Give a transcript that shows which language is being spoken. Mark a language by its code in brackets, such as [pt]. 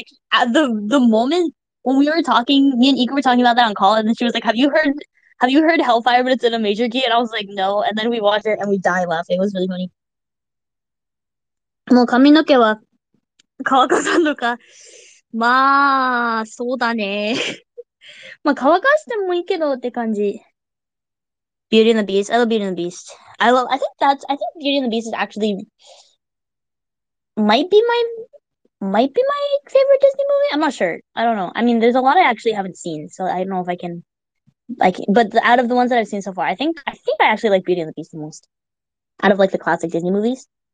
[en] At the moment when we were talking, me and Ika were talking about that on call, and then she was like, have you heard Hellfire, but it's in a major key? And I was like, no. And then we watched it and we died laughing. It was really funny. [ja] もう髪の毛は乾かさんのか。まあ、そうだね。まあ乾かしてもいいけどって感じ。 [en] Beauty and the Beast. I love Beauty and the Beast. I think Beauty and the Beast is actually might be my favorite Disney movie. I'm not sure. I don't know. I mean, there's a lot I actually haven't seen, so I don't know if I can like, but the, out of the ones that I've seen so far, I think I actually like Beauty and the Beast the most out of like the classic Disney movies.